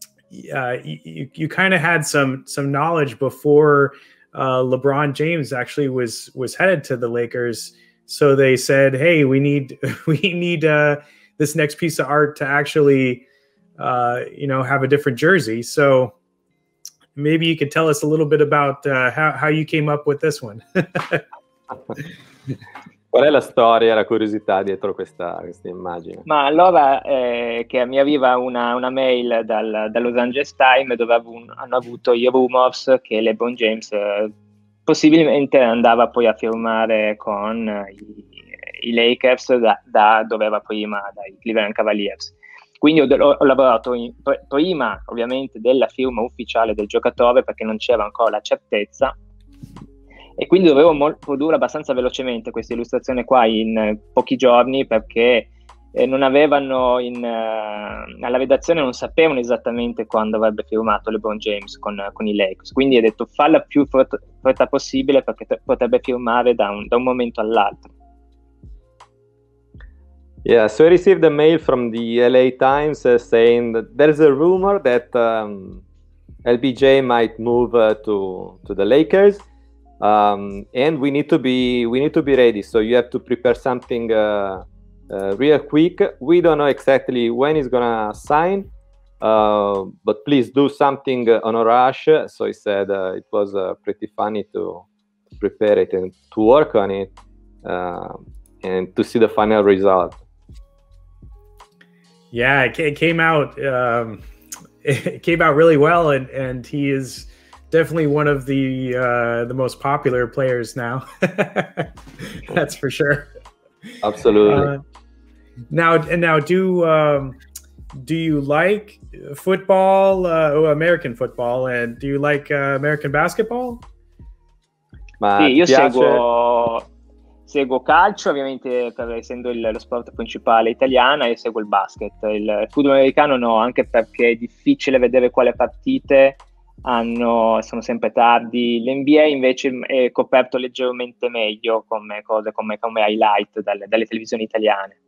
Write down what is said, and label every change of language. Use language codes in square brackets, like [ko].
[en] You kind of had some knowledge before LeBron James actually was headed to the Lakers. So they said, hey, we need this next piece of art to actually, have a different jersey. So maybe you could tell us a little bit about how you came up with this one. [it] Qual è la storia, la curiosità dietro questa immagine? Ma allora che mi arriva una mail dal Los Angeles Times dove hanno avuto i rumors che LeBron James possibilmente andava poi a firmare con i Lakers da dove era prima, dai Cleveland Cavaliers. Quindi ho lavorato prima ovviamente della firma ufficiale del giocatore perché non c'era ancora la certezza. E quindi dovevo produrre abbastanza velocemente questa illustrazione qua in pochi giorni perché non avevano alla redazione non sapevano esattamente quando avrebbe firmato LeBron James con i Lakers. Quindi ho detto falla più fretta possibile perché potrebbe firmare da un momento all'altro. [en] Yeah, so I received a mail from the LA Times saying that there's a rumor that LBJ might move to the Lakers. And we need to be ready, so you have to prepare something real quick. We don't know exactly when he's gonna sign, but please do something on a rush. So he said it was pretty funny to prepare it and to work on it and to see the final result. Yeah, it came out really well, and he is definitely one of the most popular players now. That's for sure. Absolutely. Now, do you like football, American football, and do you like American basketball? [it] Ma sì, io seguo calcio, ovviamente, essendo lo sport principale italiano, e seguo il basket. Il football americano no, anche perché è difficile vedere quale partite. Sono sempre tardi. L'NBA invece è coperto leggermente meglio come highlight dalle televisioni italiane.